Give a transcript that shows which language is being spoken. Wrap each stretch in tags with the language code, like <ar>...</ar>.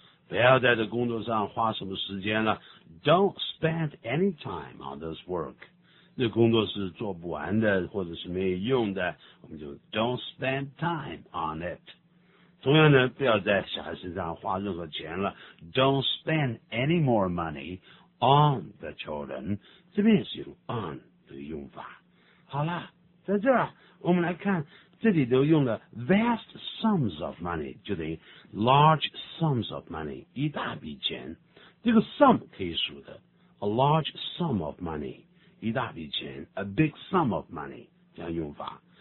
<zh>不要在这工作上花什么时间了。</zh> <en>Don't spend any time on this work.</en> <zh>这工作是做不完的或者是没用的，我们就</zh> <en>don't spend time on it.</en> <zh>同样呢，不要在小孩身上花任何钱了。</zh> <en>Don't spend any more money on the children.</en> <zh>这边也是用 on 的用法。好了，在这儿我们来看，这里都用了</zh> <en>vast sums of money，</en> <zh>就等于</zh> <en>large sums of money，</en> <zh>一大笔钱。这个 sum 可以数的 ，</zh> <en>a large sum of money，</en> <zh>一大笔钱 ，</zh> <en>a big sum of money</en> <zh>这样用法。</zh>